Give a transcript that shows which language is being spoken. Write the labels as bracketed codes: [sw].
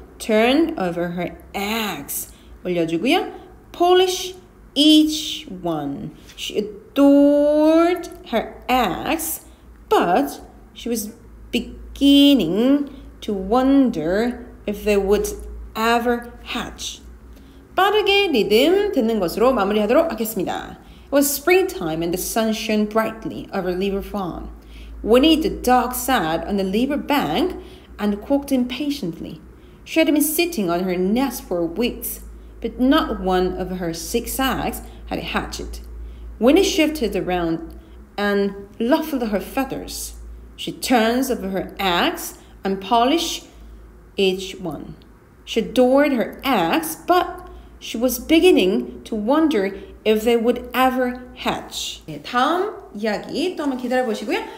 [en] Turned over her eggs, 올려주고요. Polished each one. She adored her eggs, but she was beginning to wonder if they would ever hatch. [ko] 빠르게 리듬 듣는 것으로 마무리하도록 하겠습니다. [en] It was springtime and the sun shone brightly over Lieber Farm. Winnie the dog sat on the Lieber bank and quacked impatiently. She had been sitting on her nest for weeks, but not one of her six eggs had hatched. Winnie shifted around and ruffled her feathers. She turns over her eggs and polishes each one. She adored her eggs, but she was beginning to wonder if they would ever hatch. [ko] 네, 다음 이야기 또 한번 기다려보시고요.